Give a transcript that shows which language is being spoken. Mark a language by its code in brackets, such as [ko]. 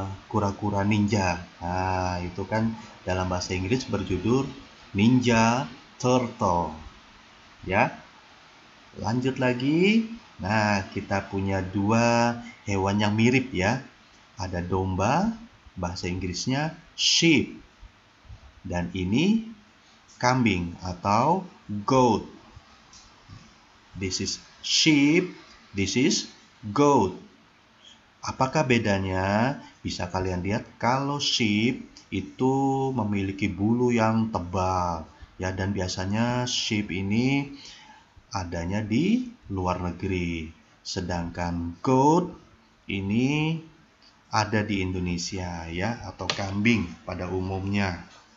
[id] Kura-kura ninja. Nah, itu kan dalam bahasa Inggris berjudul Ninja Turtle. Ya. Lanjut lagi. Nah, kita punya dua hewan yang mirip ya. Ada domba, bahasa Inggrisnya sheep. Dan ini kambing atau goat. [en] This is sheep, this is goat. [id] Apakah bedanya? Bisa kalian lihat kalau sheep itu memiliki bulu yang tebal ya, dan biasanya sheep ini adanya di luar negeri. Sedangkan goat ini ada di Indonesia ya, atau kambing pada umumnya.